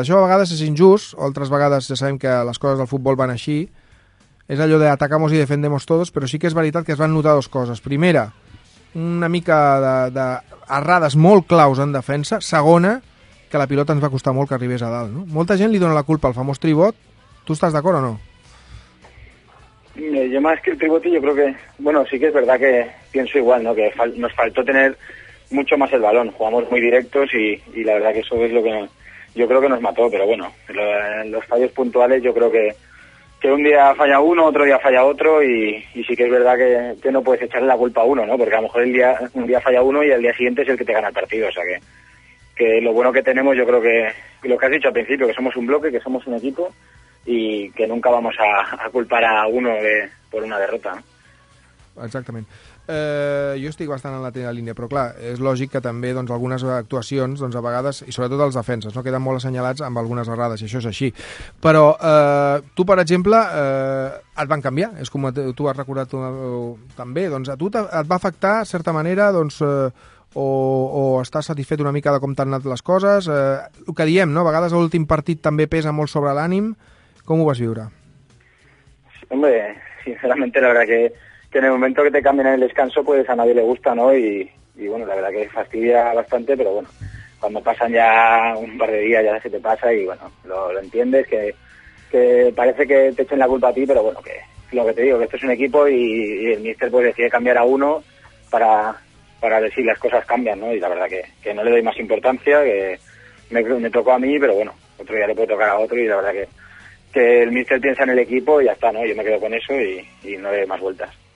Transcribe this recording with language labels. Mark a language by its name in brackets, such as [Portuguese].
[Catalan] Això a vegades és injust, altres vegades ja sabem que les coses del futbol van així. És allò de [Spanish] atacamos y defendemos todos, [Catalan] però sí que és veritat que es van notar dues coses. Primera, una mica de errades molt claus en defensa. Segona, que la pilota ens va costar molt que arribés a dalt, no? Molta gent li dona la culpa al famós tribot. Tu estàs d'acord o no? [Spanish] Yo más que el tribote, yo creo que, bueno, sí que es verdad que pienso igual, ¿no? Que nos faltó tener mucho más el balón, jugamos muy directos y la verdad que eso es lo que yo creo que nos mató, pero bueno, los fallos puntuales yo creo que un día falla uno, otro día falla otro y sí que es verdad que no puedes echarle la culpa a uno, ¿no? Porque a lo mejor un día falla uno y el día siguiente es el que te gana el partido, o sea que lo bueno que tenemos yo creo que lo que has dicho al principio, que somos un bloque, que somos un equipo y que nunca vamos a culpar a uno por una derrota. [Catalan] Exactament. Jo estic bastant en la teva línia, però clar, és lògic que també doncs, algunes actuacions, doncs, a vegades, i sobretot els defenses, no queden molt assenyalats amb algunes errades, i això és així. Però tu, per exemple, et van canviar, és com tu has recordat també. Doncs, a tu et va afectar, de certa manera, doncs, o estàs satisfet una mica de com t'han anat les coses? El que diem, no? A vegades l'últim partit també pesa molt sobre l'ànim. Com ho vas viure? [Spanish] Hombre, sinceramente, la verdad que en el momento que te cambian en el descanso, pues a nadie le gusta, ¿no? Y bueno, la verdad que fastidia bastante, pero bueno, cuando pasan ya un par de días ya se te pasa y bueno, lo entiendes, que parece que te echen la culpa a ti, pero bueno, que lo que te digo, que esto es un equipo y el míster pues decide cambiar a uno para ver si las cosas cambian, ¿no? Y la verdad que no le doy más importancia, que me tocó a mí, pero bueno, otro día le puede tocar a otro y la verdad que el míster piensa en el equipo y ya está, ¿no? Yo me quedo con eso y no le doy más vueltas.